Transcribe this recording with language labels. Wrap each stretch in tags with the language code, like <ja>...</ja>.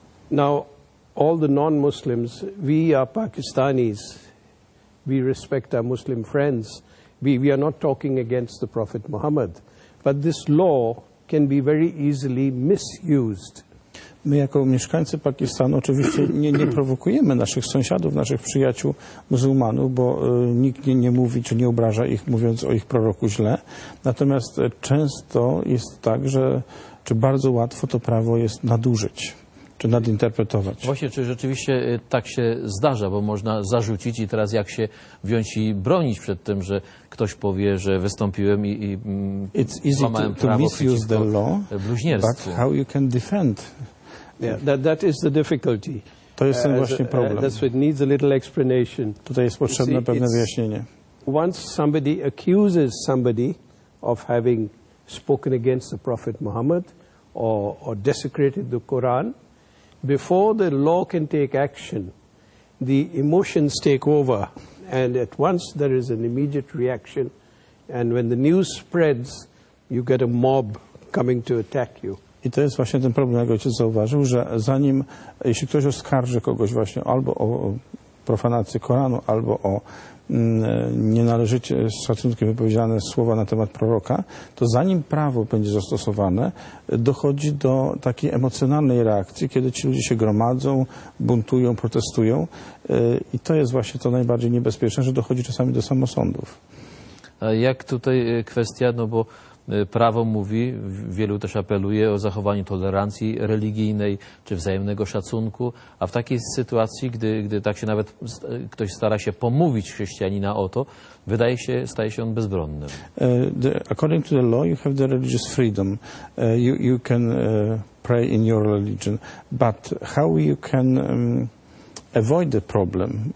<en>Now, all the non-Muslims, we are Pakistanis, we respect our Muslim friends, we are not talking against the Prophet Muhammad, but this law can be very easily misused.</en> <pl>My jako mieszkańcy Pakistanu oczywiście nie prowokujemy naszych sąsiadów, naszych przyjaciół muzułmanów, bo nikt nie mówi czy nie obraża ich, mówiąc o ich proroku źle. Natomiast często jest tak, że czy bardzo łatwo to prawo jest nadużyć, czy nadinterpretować. Właśnie, czy rzeczywiście tak się zdarza, bo można zarzucić i teraz jak się wziąć i bronić przed tym, że ktoś powie, że wystąpiłem i złamałem prawo przeciwko bluźnierstwu.</pl> <en>But how you can defend? Yeah, that is the difficulty.</en> <pl>To jest ten właśnie problem.</pl> <en>That's what needs a little explanation.</en> <pl>Tutaj jest potrzebne pewne wyjaśnienie.</pl> <en>Once somebody accuses somebody of having spoken against the Prophet Muhammad or desecrated the Quran, before the law can take action, the emotions take over, and at once there is an immediate reaction, and when the news spreads, you get a mob coming to attack you.</en> <pl>I to jest właśnie ten problem, jak ojciec zauważył, że zanim, jeśli ktoś oskarży kogoś właśnie albo o profanację Koranu, albo o nienależycie z szacunkiem wypowiedziane słowa na temat proroka, to zanim prawo będzie zastosowane, dochodzi do takiej emocjonalnej reakcji, kiedy ci ludzie się gromadzą, buntują, protestują. I to jest właśnie to najbardziej niebezpieczne, że dochodzi czasami do samosądów. A jak tutaj kwestia, no bo Prawo mówi, wielu też apeluje o zachowaniu tolerancji religijnej czy wzajemnego szacunku, a w takiej sytuacji, gdy tak się nawet ktoś stara się pomówić chrześcijanina o to, wydaje się, staje się on bezbronny.</pl> <en>According to the law, you have the religious freedom. You can pray in your religion, but how you can avoid the problem?</en>